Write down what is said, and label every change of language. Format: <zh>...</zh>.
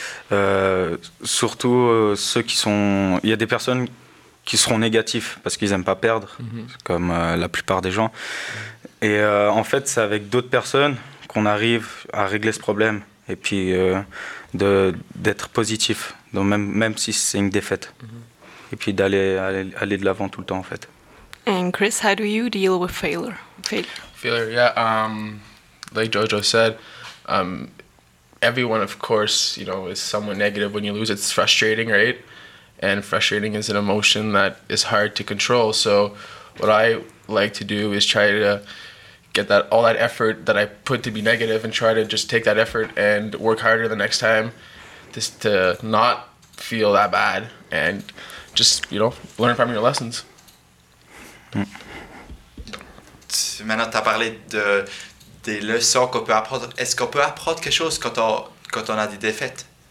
<fr>Ceux qui sont... Il y a des personnes qui seront négatives parce qu'ils n'aiment pas perdre, comme la plupart des gens. Et en fait, c'est avec d'autres personnes qu'on arrive à régler ce problème. Et puis... d'être positif, donc même si c'est une défaite, et puis d'aller de l'avant tout le temps en fait.</fr> <en>And Chris, how do you deal with failure? Failure, yeah. Like Jojo said, everyone of course, you know, is somewhat negative when you lose. It's frustrating, right? And frustrating is an emotion that is hard to control. So what I like to do is try to get that all that effort that I put to be negative and try to just take that effort and work harder the next time just to not feel that bad and just, you know, learn from your lessons.</en> <fr>Maintenant, tu as parlé des leçons qu'on peut apprendre. Est-ce qu'on peut apprendre quelque chose quand on a des défaites?</fr>